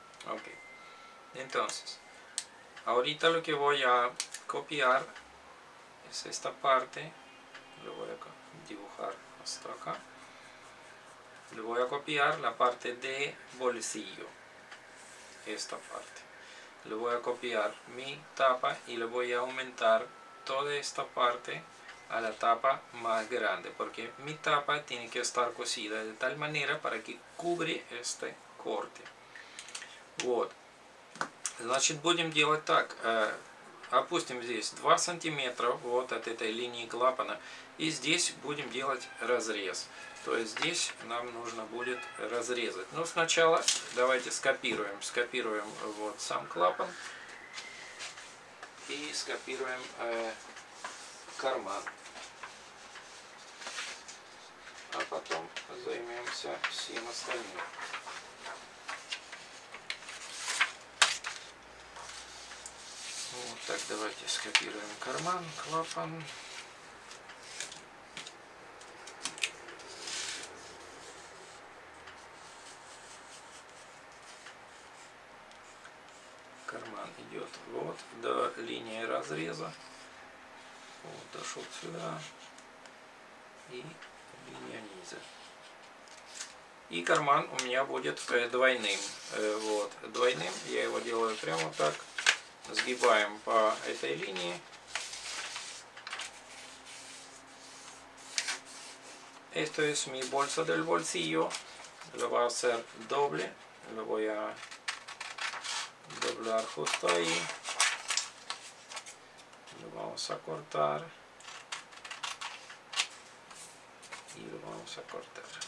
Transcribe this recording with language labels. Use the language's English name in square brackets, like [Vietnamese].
[Spanish] Ok, entonces ahorita lo que voy a copiar es esta parte, lo voy a dibujar hasta acá, le voy a copiar la parte de bolsillo, esta parte le voy a copiar mi tapa y le voy a aumentar toda esta parte a la tapa más grande, porque mi tapa tiene que estar cosida de tal manera para que cubre este corte. [Russian] Вот. Значит, будем делать так. Опустим здесь 2 сантиметра вот от этой линии клапана, и здесь будем делать разрез. То есть здесь нам нужно будет разрезать. Но сначала давайте скопируем вот сам клапан и скопируем карман. А потом займемся всем остальным. Вот так, давайте скопируем карман, клапан. Карман идет вот до линии разреза. Вот, дошел сюда. И линия низа, и карман у меня будет двойным. Вот двойным, я его делаю прямо так, сгибаем по этой линии, это есть [Spanish] mi bolsa del bolsillo, lo voy a hacer doble, lo voy a doblar justo ahí, lo vamos a cortar y lo vamos a cortar.